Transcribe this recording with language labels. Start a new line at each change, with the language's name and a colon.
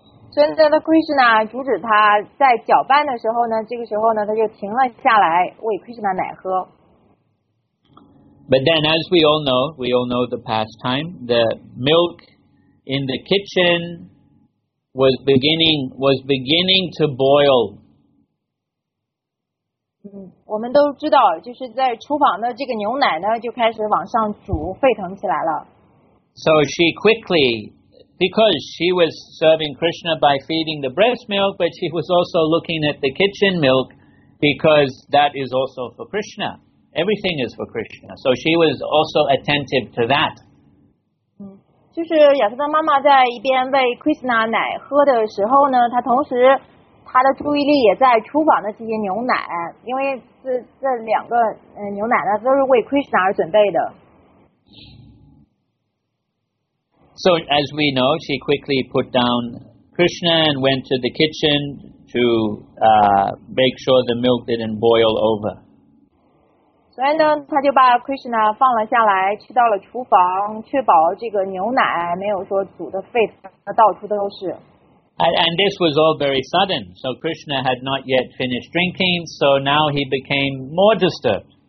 Chinese: 真正的 Krishna 阻止他在搅拌的时候呢，这个时候呢，他就停了下来喂 Krishna 奶喝。
English: But then, as we all know the pastime. The milk in the kitchen was beginning to boil.
Chinese: 我们都知道，就是在厨房的这个牛奶呢，就开始往上煮，沸腾起来了。
English: So she quickly, because she was serving Krishna by feeding the breast milk, but she was also looking at the kitchen milk, because that is also for Krishna. Everything is for Krishna. So she was also attentive to that.
Chinese: 就是亚瑟的妈妈在一边喂 Krishna 奶喝的时候呢，她同时。他的注意力也在厨房的这些牛奶，因为 这两个牛奶呢都是为 Krishna 而准备的。
English: So as we know, she quickly put down Krishna and went to the kitchen to make sure the milk didn't boil over.
Chinese: 所以呢，他就把 Krishna 放了下来，去到了厨房，确保这个牛奶没有说煮的沸腾，到处都是。
English: And this was all very sudden, so Krishna had not yet finished drinking, so now he became more disturbed.